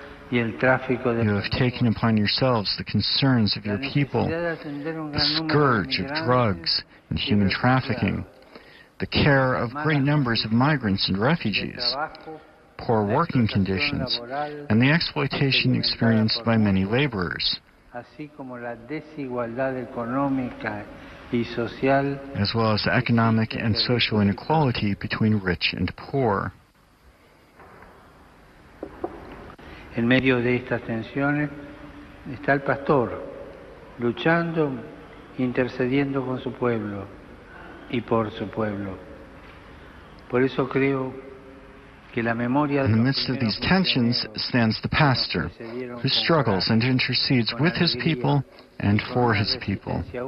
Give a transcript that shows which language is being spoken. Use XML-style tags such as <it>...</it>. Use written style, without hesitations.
<en>You have taken upon yourselves the concerns of your people, the scourge of drugs and human trafficking, the care of great numbers of migrants and refugees, poor working conditions, and the exploitation experienced by many laborers, as well as economic and social inequality between rich and poor.</en> <es>En medio de estas tensiones está el pastor luchando, intercediendo con su pueblo y por su pueblo. Por eso creo.</es> <en>In the midst of these tensions stands the pastor, who struggles and intercedes with his people and for his people.</en>